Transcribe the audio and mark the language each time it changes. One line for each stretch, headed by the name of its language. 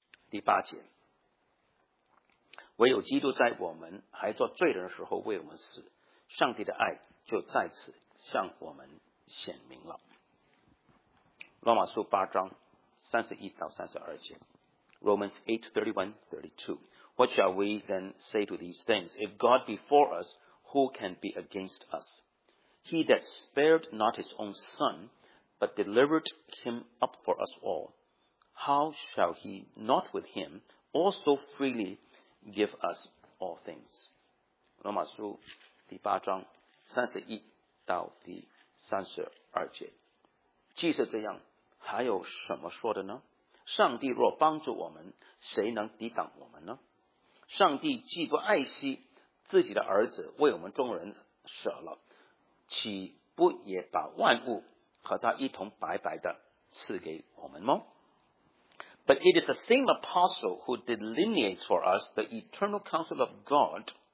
Chinese: 第八节唯有基督在我们还做罪人的时候为我们死上帝的爱就在此向我们显明了罗马书八章三十一到三十二节 Romans 8:31-32
English: What shall we then say to these things? If God be for us, who can be against us? He that spared not his own son, but delivered him up for us all, how shall he not with him also freely give us all things?
Chinese: 罗马书第八章三十一到第三十二节既是这样还有什么说的呢上帝若帮助我们谁能抵挡我们呢上帝既不爱惜自己的儿子为我们众人舍了岂不也把万物和他一同白白的赐给我们吗
English: But it is the same apostle who delineates for us the eternal counsel of God